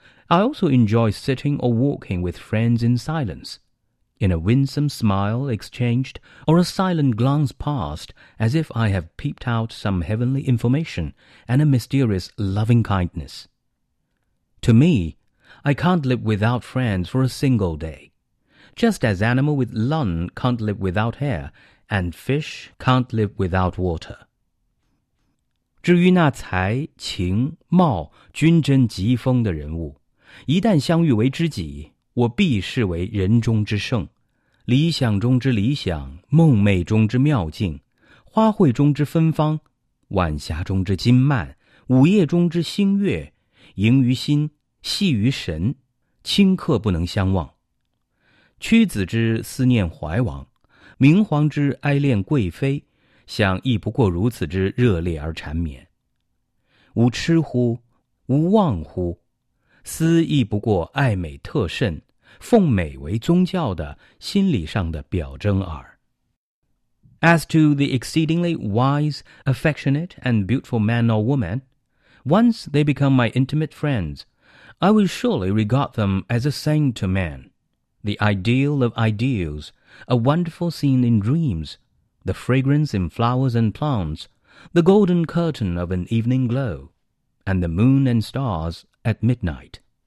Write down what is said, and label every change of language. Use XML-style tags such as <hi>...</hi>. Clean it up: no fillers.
<en>I also enjoy sitting or walking with friends in silence, in a winsome smile exchanged or a silent glance passed as if I have peeped out some heavenly information and a mysterious loving-kindness. To me, I can't live without friends for a single day, just as animal with lung can't live without air and fish can't live without water.</en> <zh>至于那才、情、貌、均真、极风的人物，一旦相遇为知己，我必视为人中之圣，理想中之理想，梦寐中之妙境，花卉中之芬芳，晚霞中之金幔，午夜中之星月，盈于心，细于神，顷刻不能相忘。屈子之思念怀王，明皇之哀恋贵妃，想亦不过如此之热烈而缠绵。吾痴乎？吾忘乎？思亦不过爱美特甚，奉美为宗教的心理上的表征耳。</zh> <en>As to the exceedingly wise, affectionate, and beautiful man or woman, once they become my intimate friends, I will surely regard them as a saint to man, the ideal of ideals, a wonderful scene in dreams, the fragrance in flowers and plants, the golden curtain of an evening glow, and the moon and stars,at midnight.</en>